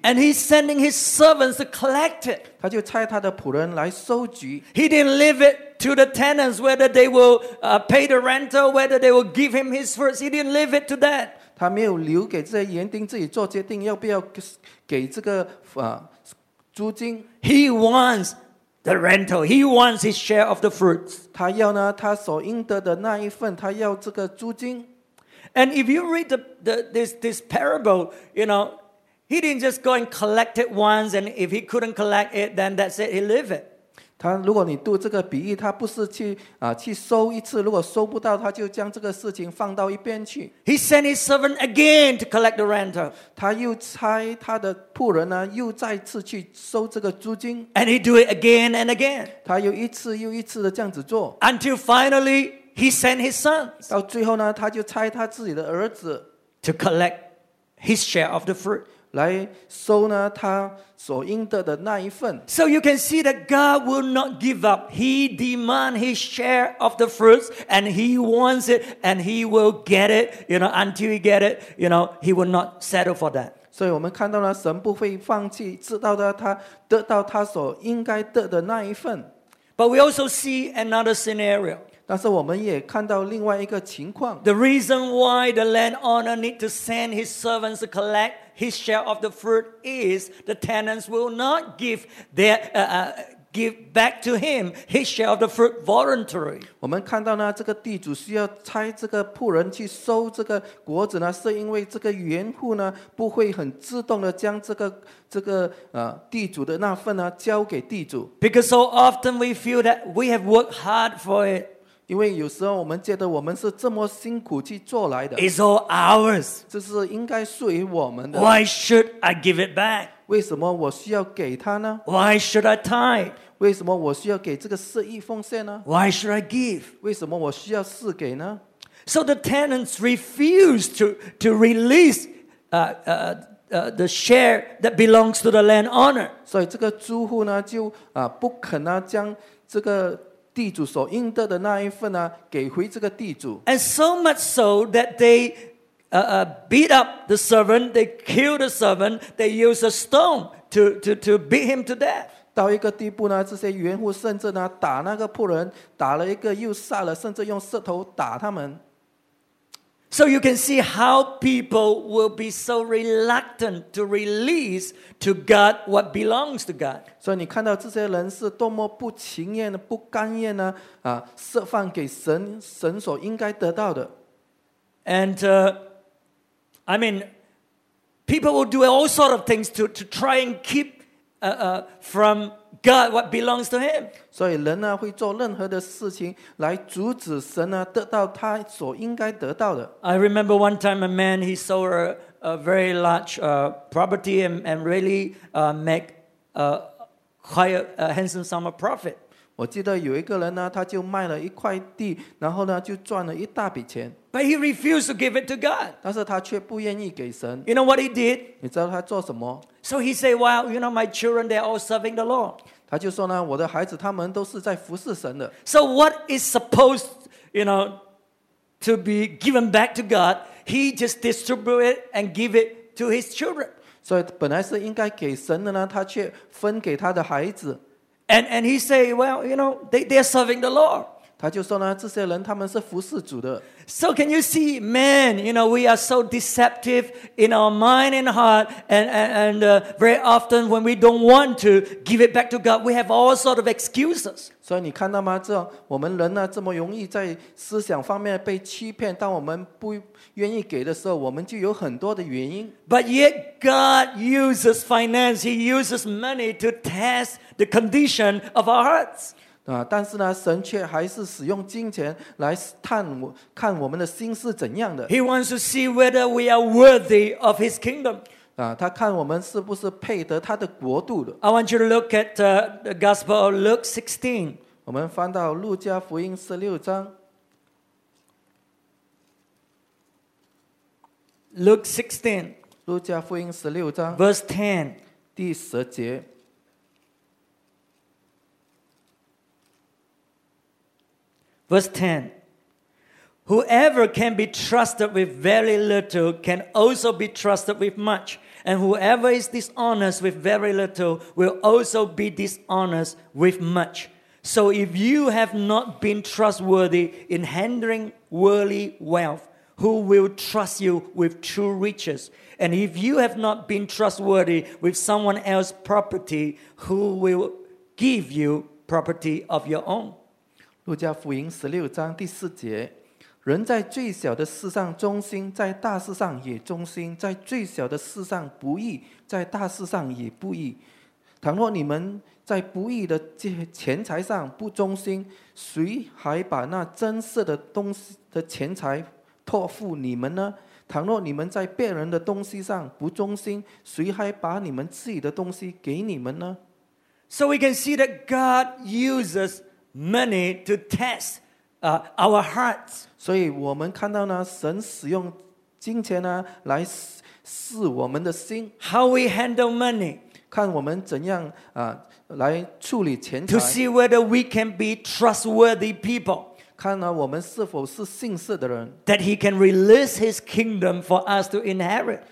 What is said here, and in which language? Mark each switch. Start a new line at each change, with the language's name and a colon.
English: And he's sending his servants to collect it.
Chinese: 他就差他的仆人来收集。
English: He didn't leave it to the tenants whether they will pay the rental, whether they will give him his fruits. He didn't leave it to that.
Chinese: 他没有留给这些园丁自己做决定要不要给这个租金。
English: He wants the rental. He wants his share of the fruits.
Chinese: 他要呢他所应得的那一份，他要这个租金。
English: And if you read this parable, you know, he didn't just go and collect it once, and if he couldn't collect it, then that's it, he leave it.
Chinese: 他如果你读这个比喻，他不是去啊去收一次，如果收不到，他就将这个事情放到一边去。
English: He sent his servant again to collect the rental.
Chinese: 他又差他的仆人呢，又再次去收这个租金。
English: And he do it again and again.
Chinese: 他又一次又一次的这样子做。
English: Until finally, he sent his son.
Chinese: 到最后呢，他就差他自己的儿子
English: to collect his share of the fruit.
Chinese: 来收呢他所应得的那一份。
English: So you can see that God will not give up. He demands his share of the fruits, and he wants it, and he will get it, you know, until he get it, you know, he will not settle for that.
Chinese: 所以我们看到呢，神不会放弃，知道的他得到他所应该得的那一份。
English: But we also see another scenario.
Chinese: 但是我们也看到另外一个情况。
English: The reason why the landowner need to send his servants to collect his share of the fruit is the tenants will not give their give back to him his share of the fruit voluntarily.
Chinese: 我们看到呢，这个地主需要差这个仆人去收这个果子呢，是因为这个园户呢不会很自动的将这个地主的那份呢交给地主。
English: Because so often we feel that we have worked hard for it.
Chinese: 因为有时候我们觉得我们是这么辛苦去做来的
English: It's all ours.
Chinese: 这是应该属于我们的
English: Why should I give it back?
Chinese: 为什么我需要给他呢
English: Why should I tithe?
Chinese: 为什么我需要给这个十一奉献呢
English: Why should I give?
Chinese: 为什么我需要赐给呢
English: So the tenants refused to release the share that belongs to the landowner.
Chinese: 所以这个租户呢就不肯呢将这个地主所应得的那一份呢，给回这个地主。
English: And so much so that they beat up the servant, they killed the servant, they used a stone to beat him to death.
Chinese: 到一个地步呢，这些园户甚至呢打那个仆人，打了一个又杀了，甚至用石头打他们。
English: So you can see how people will be so reluctant to release to God what belongs to God.
Chinese: 所以你看到这些人是多么不情愿的、不甘愿呢？释放给神，神所应该得到的。
English: And I mean, people will do all sort of things to try and keep from God what belongs to Him.
Chinese: 所以人呢会做任何的事情来阻止神呢得到他所应该得到的。
English: I remember one time a man he sold a very large property and really make quite a handsome sum of profit.
Chinese: 我记得有一个人呢，他就卖了一块地，然后呢就赚了一大笔钱。
English: But he refused to give it to God.
Chinese: 但是他却不愿意给神。
English: You know what he did?
Chinese: 你知道他做什么？
English: So he said, "Well, you know, my children, they're all serving the Lord."
Chinese: 他就说呢，我的孩子他们都是在服侍神的。
English: So what is supposed, you know, to be given back to God, he just distributed it and gave it to his children.
Chinese: 所以本来是应该给神的呢，他却分给他的孩子。
English: And he said, "Well, you know, they're serving the Lord."
Chinese: 他就说呢，这些人他们是服侍主的。
English: So can you see, man, you know, we are so deceptive in our mind and heart, and very often when we don't want to give it back to God, we have all sort of excuses.
Chinese: 所以你看到吗？这我们人呢，这么容易在思想方面被欺骗，当我们不愿意给的时候，我们就有很多的原因。
English: But yet God uses finance, He uses money to test the condition of our hearts.
Chinese: 但是呢，神却还是使用金钱来看我们的心是怎样的。
English: He wants to see whether we are worthy of His kingdom.
Chinese: 他看我们是不是配得他的国度的。
English: I want you to look at the Gospel of Luke 16.
Chinese: 我们翻到路加福音十六章。
English: Luke 16.
Chinese: 路加福音十六章。
English: Verse 10.
Chinese: 第十节。
English: Verse 10, whoever can be trusted with very little can also be trusted with much, and whoever is dishonest with very little will also be dishonest with much. So if you have not been trustworthy in handling worldly wealth, who will trust you with true riches? And if you have not been trustworthy with someone else's property, who will give you property of your own?
Chinese: 路加福音十六章第四节，人在最小的事上忠心，在大事上也忠心；在最小的事上不义，在大事上也不义。倘若你们在不义的钱财上不忠心，谁还把那真实的东西的钱财托付你们呢？倘若你们在别人的东西上不忠心，谁还把你们自己的东西给你们呢？
English: So we can see that God uses money to test our hearts.
Chinese: 所以我们看到呢，神使用金钱呢来试我们的心。
English: How we handle money.
Chinese: 看我们怎样来处理钱财。
English: To see whether we can be trustworthy people.
Chinese: 看我们是否是信实的人
English: that he can release his kingdom for us to inherit.